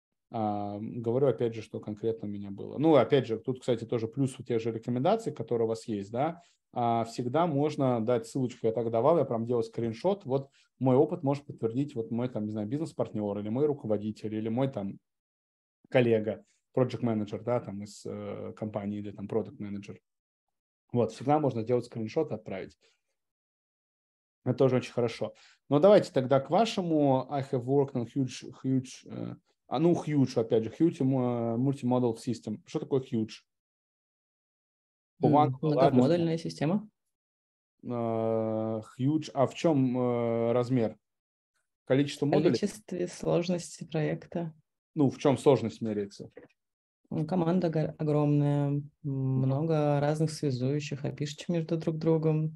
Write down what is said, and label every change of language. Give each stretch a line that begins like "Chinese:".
Russian: Говорю, опять же, что конкретно у меня было. Ну, опять же, тут, кстати, тоже плюс у тех же рекомендаций, которые у вас есть, да, всегда можно дать ссылочку, я так давал, я прям делал скриншот, вот мой опыт может подтвердить вот мой, там, не знаю, бизнес-партнер или мой руководитель, или мой, там, коллега, project-менеджер, да, там из компании или там product-менеджер. Вот, всегда можно сделать скриншот и отправить. Это тоже очень хорошо. Но давайте тогда к вашему
English: I have worked on huge multi-model system.
Russian: Что такое huge? Многомодульная система. Huge. А в чем размер? Количество модулей? В количестве сложности проекта. Ну, в чем сложность меряется? Команда огромная, много разных связующих, а пишите между друг другом.